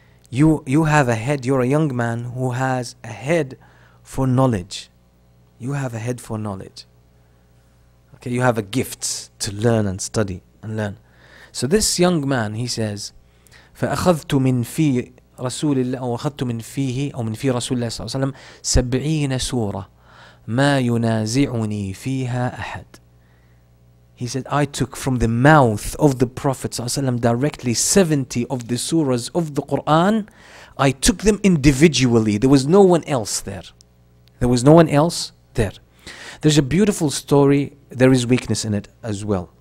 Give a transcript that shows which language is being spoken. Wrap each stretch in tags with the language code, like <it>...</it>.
<en>You have a head. You're a young man who has a head for knowledge. You have a head for knowledge. Okay, you have a gift to learn and study and learn. So this young man, he says,</en> <ar>فَأَخَذْتُ مِنْ فِي رسول الله واخذت من فيه او من في رسول الله صلى الله عليه وسلم 70 سورة ما ينازعني فيها احد.</ar> <en>He said, I took from the mouth of the Prophet ﷺ directly 70 of the surahs of the Quran. I took them individually. There was no one else there. There was no one else there. There's a beautiful story. There is weakness in it as well.</en>